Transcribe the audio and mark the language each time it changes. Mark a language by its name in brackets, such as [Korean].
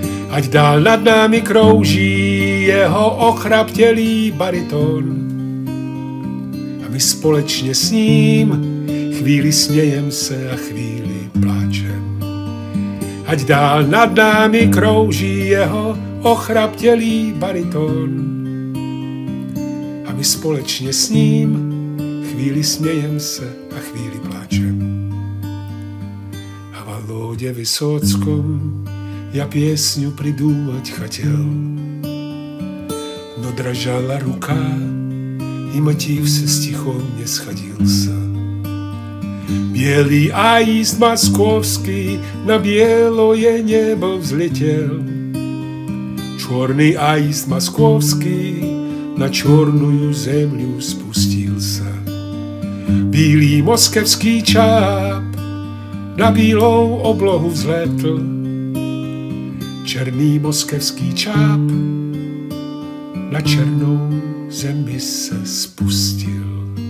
[Czech] Ať dál nad námi krouží jeho ochraptělý bariton a my společně s ním chvíli smějem se a chvíli pláčem. Ať dál nad námi krouží jeho ochraptělý bariton a my společně s ním chvíli smějem se a chvíli pláčem. [Russian] Володе Высоцком я песню придумать хотел, но дрожала рука, и мотив со стихом не сходился. Белый аист московский на белое небо взлетел, черный аист московский на черную землю спустился. [Czech] Белый московский чап na bílou oblohu vzlétl, černý moskevský čáp na černou zemi se spustil.